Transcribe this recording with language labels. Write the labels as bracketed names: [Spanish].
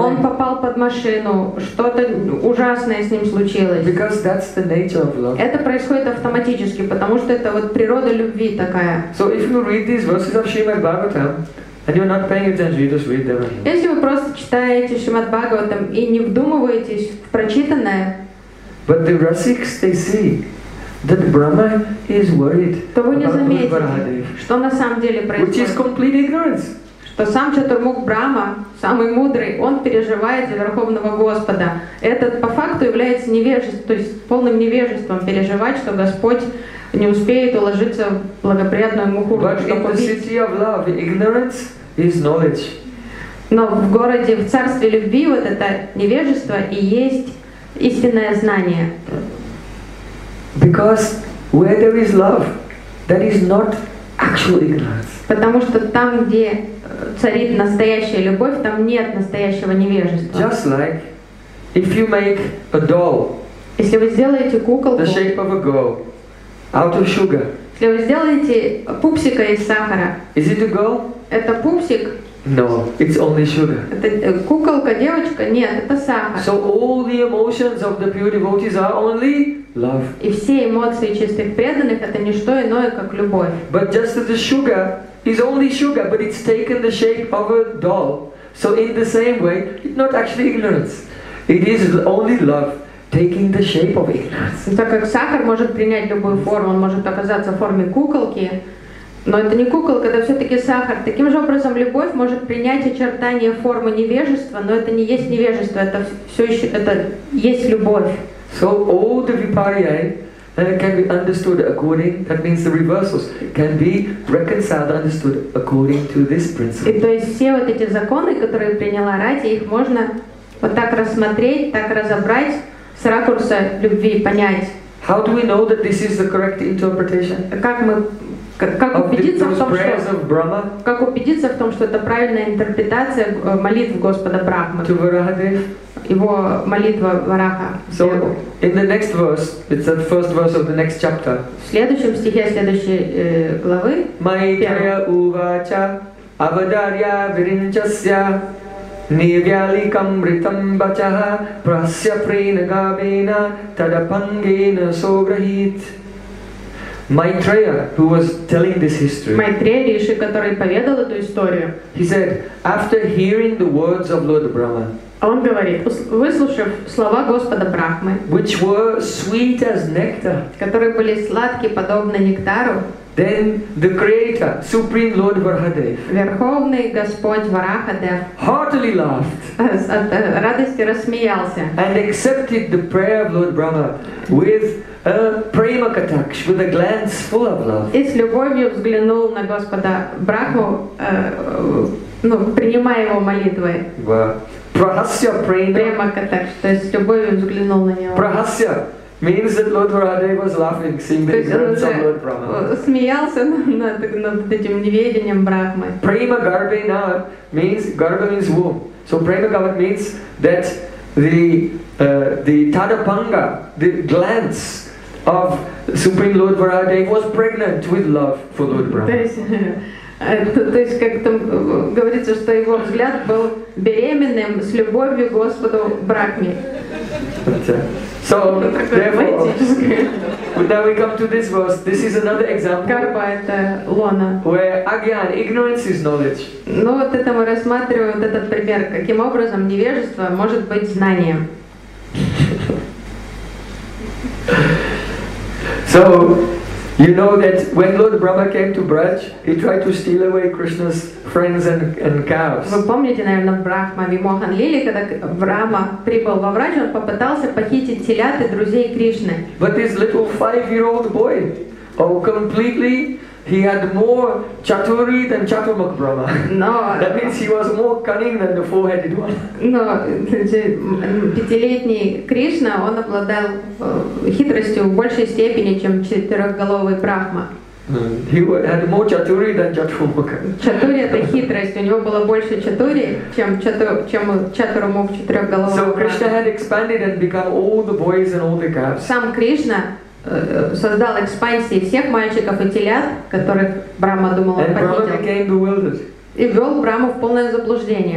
[Russian] Он попал под машину, что-то ужасное с ним случилось. [English] Because that's the nature of love. [Russian] Это происходит автоматически, потому что это вот природа любви такая. [English] So if you read these verses of Srimad Bhagavatam, and you're not paying attention, you just read them. [Russian] Если вы просто читаете Шримад Бхагаватам и не вдумываетесь в прочитанное, [English] but the rasiks, they see that Brahma is worried. [Russian] То вы не заметите, что на самом деле происходит. [English] Which is complete ignorance. [Russian] Что сам Чатурмук Брахма, самый мудрый, он переживает за Верховного Господа. Этот по факту является невежеством, то есть полным невежеством переживать, что Господь не успеет уложиться в благоприятную мухуру, чтобы убить. [English] But in the city of love, ignorance is knowledge. [Russian] Но в городе, в царстве любви, вот это невежество и есть истинное знание. [English] Because where there is love, there is not actual ignorance. [Russian] Потому что там, где царит настоящая любовь, там нет настоящего невежества. [English] Just like if you make a doll, [Russian] если вы сделаете куколку, [English] the shape of a girl, out of sugar. [Russian] Если вы сделаете пупсика из сахара. [English] Is it a girl? [Russian] Это пупсик? [English] No, it's only sugar. [Russian] Это куколка, девочка? Нет, это сахар. [English] So all the emotions of the pure devotees are only love. И все эмоции чистых преданных это не что иное, как любовь. But just as the sugar is only sugar, but it's taken the shape of a doll. So in the same way, it's not actually ignorance. It is only love. Taking the shape of ignorance. [Russian] Так как сахар может принять любую форму, он может оказаться в форме куколки, но это не куколка, это все-таки сахар. Таким же образом, любовь может принять очертания формы невежества, но это не есть невежество, это все еще, это есть любовь. [English] So all the vipariyai, And it can be understood according, that means the reversals can be reconciled, understood according to this principle. [Russian] И то есть все вот эти законы, которые приняла Рати, их можно вот так рассмотреть, так разобрать с ракурса любви, понять. [English] How do we know that this is the correct interpretation? [Russian] Как убедиться в том, что это правильная интерпретация молитв Господа Брахмы? Его молитва Вараха. [English] So in the next verse, it's the first verse of the next chapter. [Russian] В следующем стихе следующей главы. [Sanskrit] Майтрея увача авадарья виринчасья нивьяликам ритам бачаха прасья пренагабена тадапангена сограхит. [English] Maitreya, who was telling this history, [Russian] Maitreya Риши, который поведал эту историю, [English] he said, after hearing the words of Lord Brahma, [Russian] он говорит, выслушав слова Господа Брахмы, [English] which were sweet as nectar, [Russian] которые были сладки, подобно нектару, [English] then the Creator, Supreme Lord Varahadev, [Russian] Верховный Господь Варахадев, [English] heartily laughed, [Russian] от радости рассмеялся, [English] and accepted the prayer of Lord Brahma with a prema kataksh, with a glance full of love. [Russian] И с любовью взглянул на Господа Брахму, ну, принимая его молитвы. [Sanskrit] Prahasya prema. [Russian] Prema kataksh, то есть с любовью взглянул на него. [English] Prahasya means that Lord Varahadev was laughing, seeing the ignorance of Lord Brahma. [Russian] Смеялся над этим неведением Брахмы. [English] Prema garbena means, garba means womb. So prema garba means that the tadapanga, the glance of Supreme Lord Varahadev was pregnant with love for Lord Brahma. [Russian] То есть как там говорится, что его взгляд был беременным с любовью к Господу Брахме. [English] So therefore, but now we come to this verse. This is another example. [Russian] Карпа это лона. [English] Where again, ignorance is knowledge. [Russian] Ну вот это мы рассматриваем вот этот пример. Каким образом невежество может быть знанием? [English] So you know that when Lord Brahma came to Braj, he tried to steal away Krishna's friends and cows. [Russian] Вы помните, наверное, Брахма Вимохан Лили, когда Брахма прибыл во Врадж, он попытался похитить телят и друзей Кришны. [English] But this little five-year-old boy, oh, completely, he had more chaturi than Chaturmukh Brahma. No. That means he was more cunning than the four-headed one. [Russian] No, пятилетний Кришна, он обладал хитростью в большей степени, чем четырехголовый Брахма. [English] He had more chaturi than Chaturmukh. [Russian] Chaturi – это хитрость. У него было больше chaturi, чем Chaturmukh, четырехголовый [English] Брахма. So Krishna had expanded and become all the boys and all the calves. [Russian] Сам Кришна создал экспансии всех мальчиков и телят, которых Брахма думал похитил. И ввел Брахму в полное заблуждение.